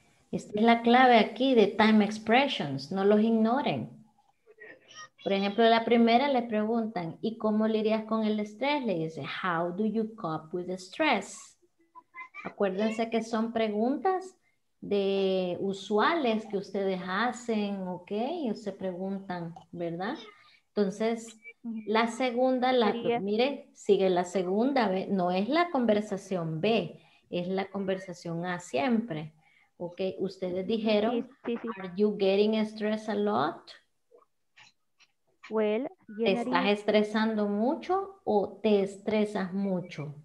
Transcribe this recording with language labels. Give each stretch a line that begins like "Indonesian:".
Spanish: Esta es la clave aquí de time expressions. No los ignoren. Por ejemplo, la primera le preguntan, ¿y cómo lidias con el estrés? Le dice,
English: how do you cope with the stress?
Spanish: Acuérdense que son preguntas de usuales que ustedes hacen, ¿ok? Y se preguntan, ¿verdad? Entonces, la segunda, la, mire, sigue la segunda, no es la conversación B, es la conversación A siempre, ¿ok? Ustedes dijeron,
English: are you getting stressed a lot? Well,
Spanish: ¿te estás estresando mucho o te estresas mucho?